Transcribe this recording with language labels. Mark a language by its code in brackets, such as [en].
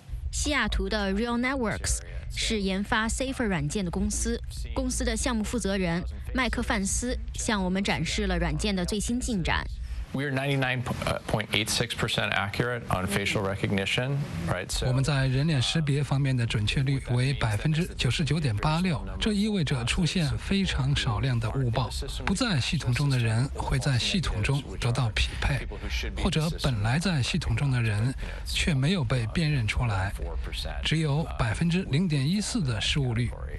[zh] 西雅图的 Real Networks 是研发 Safer 软件的公司，公司的项目负责人麦克范斯向我们展示了软件的最新进展。 [en] We are 99.86% accurate on facial recognition, right? [zh] So, 我们在人脸识别方面的准确率为99.86%，这意味着出现非常少量的误报。不在系统中的人会在系统中得到匹配，或者本来在系统中的人却没有被辨认出来，只有0.14%的失误率。